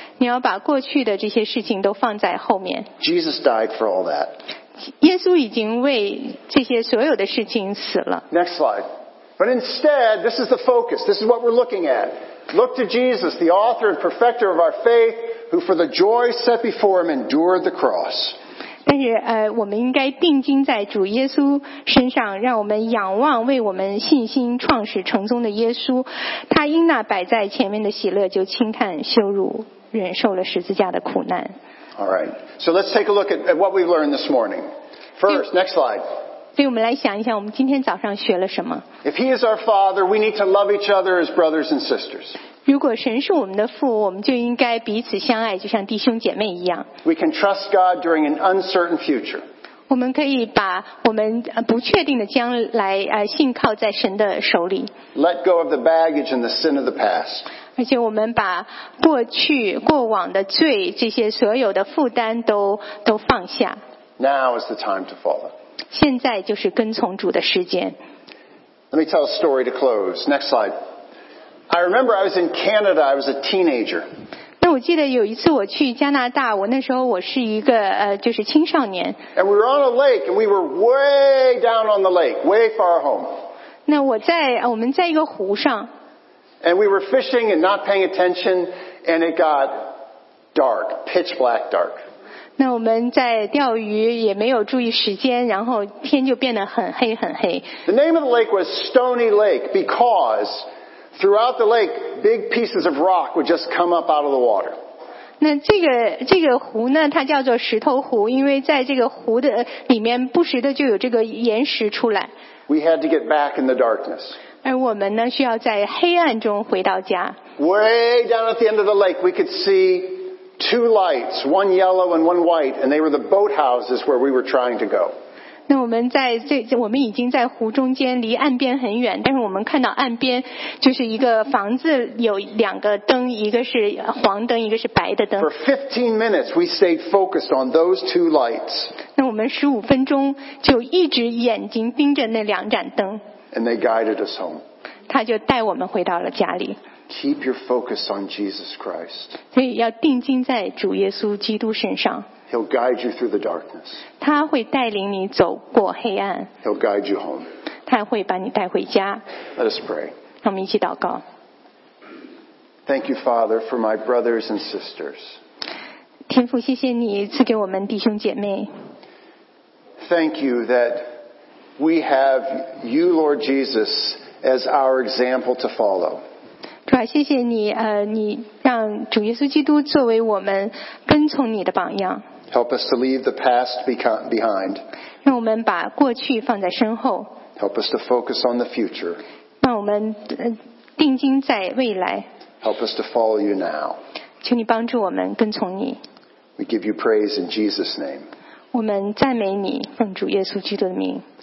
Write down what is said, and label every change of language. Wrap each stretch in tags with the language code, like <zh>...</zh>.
<zh>你要把过去的这些事情都放在后面。</zh> <en>Jesus died for all that.</en> <zh>耶稣已经为这些所有的事情死了。</zh> <en>Next slide. But instead, this is the focus. This is what we're looking at. Look to Jesus, the author and perfecter of our faith, who for the joy set before him endured the cross.</en> <zh>但是我们应该定睛在主耶稣身上，让我们仰望为我们信心创始成终的耶稣。他因那摆在前面的喜乐，就轻看羞辱，忍受了十字架的苦难。</zh> <en>All right. So let's take a look at what we've learned this morning. First, next slide.</en> <zh>所以我们来想一想，我们今天早上学了什么。</zh> <en>If he is our father, we need to love each other as brothers and sisters.</en> <zh>如果神是我们的父，我们就应该彼此相爱，就像弟兄姐妹一样。</zh> <en>We can trust God during an uncertain future.</en> <zh>我们可以把我们不确定的将来信靠在神的手里。</zh> <en>Let go of the baggage and the sin of the past.</en> <zh>而且我们把过去过往的罪这些所有的负担都放下。</zh> <en>Now is the time to follow.</en> <zh>现在就是跟从主的时间。</zh> <en>Let me tell a story to close. Next slide. I remember I was in Canada. I was a teenager.</en> <zh>那我记得有一次我去加拿大，我那时候我是一个就是青少年。</zh> <en>And we were on a lake, and we were way down on the lake, way far home.</en> <zh>那我们在一个湖上。</zh> <en>And we were fishing and not paying attention, and it got dark, pitch black dark.</en> <zh>那我们在钓鱼也没有注意时间，然后天就变得很黑很黑。</zh> <en>The name of the lake was Stony Lake because throughout the lake, big pieces of rock would just come up out of the water.</en> <zh>那这个湖呢，它叫做石头湖，因为在这个湖的里面不时的就有这个岩石出来。</zh> <en>We had to get back in the darkness.</en> <zh>而我们呢，需要在黑暗中回到家。</zh> <en>Way down at the end of the lake, we could see two lights, one yellow and one white, and they were the boathouses where we were trying to go.</en> <zh>那我们在我们已经在湖中间，离岸边很远，但是我们看到岸边就是一个房子，有两个灯，一个是黄灯，一个是白的灯。</zh> <en>For 15 minutes, we stayed focused on those two lights.</en> <zh>那我们15分钟就一直眼睛盯着那两盏灯。</zh> <en>And they guided us home.</en> <zh>他就带我们回到了家里。</zh> <en>Keep your focus on Jesus Christ.</en> <zh>所以要定睛在主耶稣基督身上。</zh> <en>He'll guide you through the darkness.</en> <zh>他会带领你走过黑暗。</zh> <en>He'll guide you home.</en> <zh>他会把你带回家。</zh> <en>Let us pray.</en> <zh>让我们一起祷告。</zh> <en>Thank you, Father, for my brothers and sisters.</en> <zh>天父，谢谢你赐给我们弟兄姐妹。</zh> <en>Thank you that. We have you, Lord Jesus, as our example to follow.</en> <zh>主啊，谢谢你，你让主耶稣基督作为我们跟从你的榜样。</zh> <en>Help us to leave the past behind.</en> <zh>让我们把过去放在身后。</zh> <en>Help us to focus on the future.</en> <zh>让我们定睛在未来。</zh> <en>Help us to follow you now.</en> <zh>求你帮助我们跟从你。</zh> <en>We give you praise in Jesus' name.</en> <zh>我们赞美你，奉主耶稣基督的名。</zh>